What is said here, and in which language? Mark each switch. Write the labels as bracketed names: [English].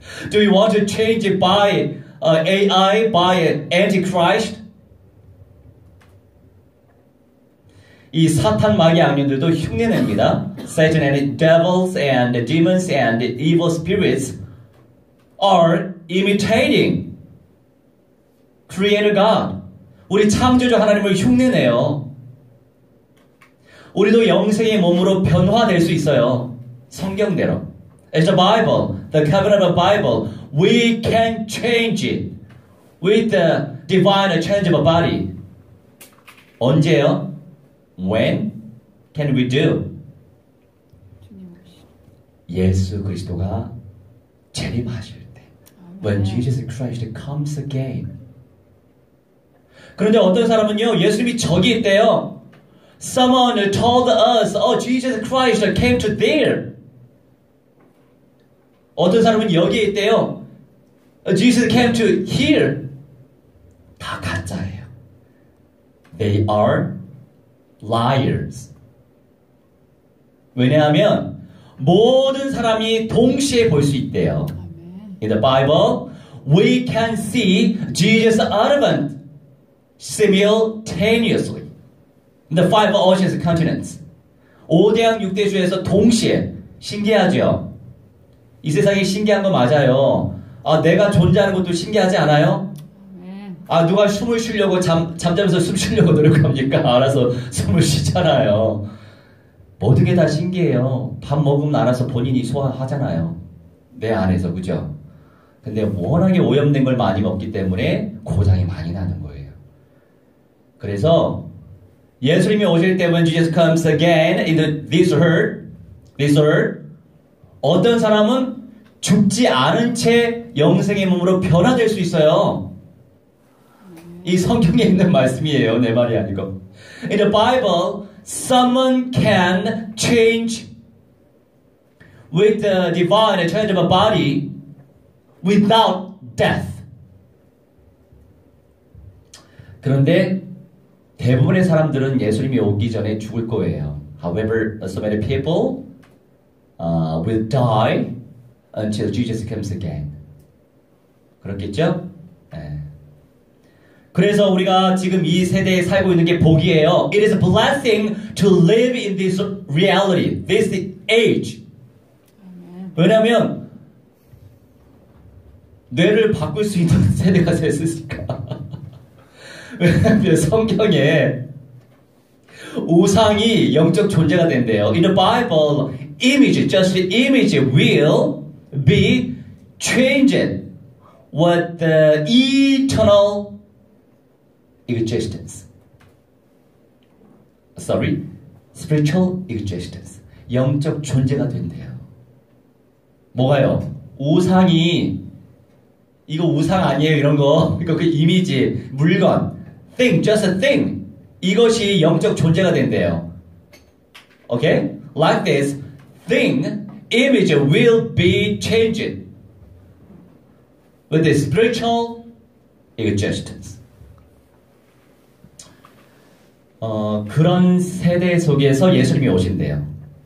[English] Do you want to change it by AI, by Antichrist? [Korean] 이 사탄 마귀 악령들도 흉내냅니다. [English] Satan and devils and demons and evil spirits are imitating Creator God. [Korean] 우리 창조주 하나님을 흉내내요. 우리도 영생의 몸으로 변화될 수 있어요. 성경대로. [English] It's the Bible, the covenant of the Bible. We can change it with the divine change of body. [Korean] 언제요? [English] When can we do? [Korean] 예수 그리스도가 재림하실 때. [English] When Jesus Christ comes again. [Korean] 그런데 어떤 사람은요, 예수님이 저기 있대요. [English] Someone told us, oh, Jesus Christ came to there. [Korean] 어떤 사람은 여기 있대요. [English] Jesus came to here. [Korean] 다 가짜예요. [English] They are liars. [Korean] 왜냐하면 모든 사람이 동시에 볼 수 있대요. [English] In the Bible, we can see Jesus' advent simultaneously. The five oceans continents. [Korean] 5대양 6대주에서 동시에. 신기하죠? 이 세상이 신기한 거 맞아요. 아, 내가 존재하는 것도 신기하지 않아요? 아, 누가 숨을 쉬려고 잠자면서 숨 쉬려고 노력합니까? 알아서 숨을 쉬잖아요. 모든 게 다 신기해요. 밥 먹으면 알아서 본인이 소화하잖아요. 내 안에서, 그죠? 근데 워낙에 오염된 걸 많이 먹기 때문에 고장이 많이 나는 거예요. 그래서 예수님이 오실 때 [English] when Jesus comes again in this earth [Korean] 어떤 사람은 죽지 않은 채 영생의 몸으로 변화될 수 있어요. 이 성경에 있는 말씀이에요. 내 말이 아니고. [English] In the Bible, someone can change with the divine change of a body without death. [Korean] 그런데 대부분의 사람들은 예수님이 오기 전에 죽을 거예요. [English] However, so many people will die until Jesus comes again. [Korean] 그렇겠죠? 네. 그래서 우리가 지금 이 세대에 살고 있는 게 복이에요. [English] It is a blessing to live in this reality, this age. [Korean] 왜냐하면 뇌를 바꿀 수 있는 세대가 됐으니까. 왜냐하면 성경에 우상이 영적 존재가 된대요. [English] In the Bible, image, just the image will be changed what the eternal existence. Sorry, spiritual existence. [Korean] 영적 존재가 된대요. 뭐가요? 우상이, 이거 우상 아니에요, 이런 거. 이거 그 이미지, 물건. [English] Thing, just a thing. [Korean] 이것이 영적 존재가 된대요. [English] Okay? Like this, thing, image will be changed with the spiritual existence. [Korean] 그런 세대 속에서 예수님이 오신대요.